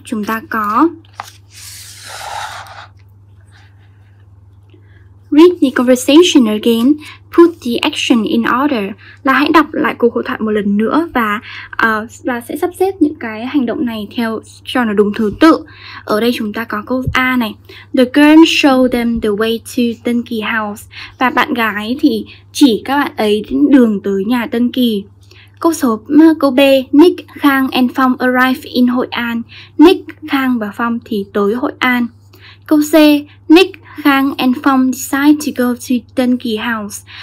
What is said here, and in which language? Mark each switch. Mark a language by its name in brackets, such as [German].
[Vietnamese] Chúng ta có [English] read the conversation again, put the action in order. [Vietnamese] Là hãy đọc lại cuộc hội thoại một lần nữa và sẽ sắp xếp những cái hành động này theo cho nó đúng thứ tự. Ở đây chúng ta có câu A này. [English] The girl showed them the way to Dunkey House. [Vietnamese] Và bạn gái thì chỉ các bạn ấy đường tới nhà Dunkey. [English] Câu B, Nick, Khang and Phong arrive in Hội An. Nick, Khang và Phong thì tới Hội An. Câu C, Nick, Khang and Phong decide to go to Dunkey House.